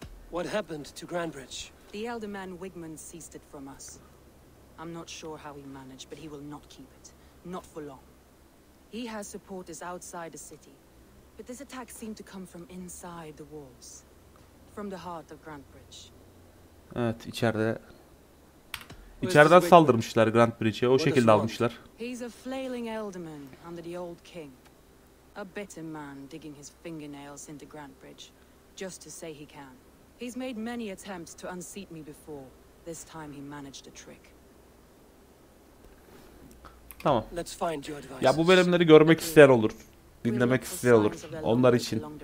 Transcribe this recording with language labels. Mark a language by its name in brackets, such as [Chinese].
[English] What happened to Grandbridge? The elder man Wigmund seized it from us. I'm not sure how he managed, but he will not keep it. Not for long. He has supporters outside the city. But this attack seemed to come from inside the walls. From the heart of Grandbridge. [Turkish] Evet, içeride. İçeriden saldırmışlar Grand Bridge'e, o şekilde almışlar. [English] He's a flailing elderman under the old king. A bitter man digging his fingernails into Grand Bridge, just to say he can. He's made many attempts to unseat me before. This time he managed a trick. [Turkish] Tamam. Ya bu bölümleri görmek isteyen olur. Dinlemek isteyen olur. Onlar için.